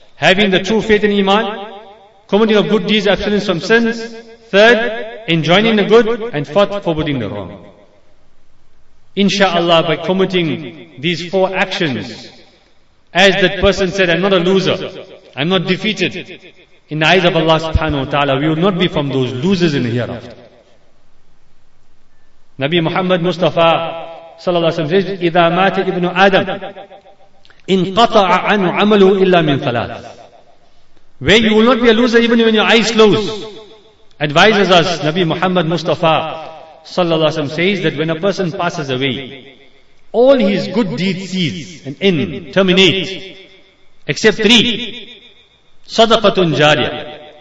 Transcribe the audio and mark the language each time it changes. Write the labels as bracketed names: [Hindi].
[English] Having the true faith in iman, committing of good deeds, abstinence from sins, third, enjoining the good, and fourth, forbidding the wrong. Insha'Allah, by committing these four actions, as that person said, I'm not a loser, I'm not defeated, in the eyes of Allah subhanahu wa ta'ala, we will not be from those losers in the hereafter. Nabi Muhammad Mustafa sallallahu alaihi wasallam says, [Arabic] إِذَا مَاتَ إِبْنُ آدَمْ إِنْ قَطَعَ عَنْ عَمَلُوا إِلَّا مِنْ ثَلَاثِ. [English] Where you will not be a loser even when your eyes close. Advises us, Nabi Muhammad Mustafa sallallahu alaihi wasallam says that when a person passes away, all his good deeds cease and end, terminate, except three. Sadaqatun jariyah.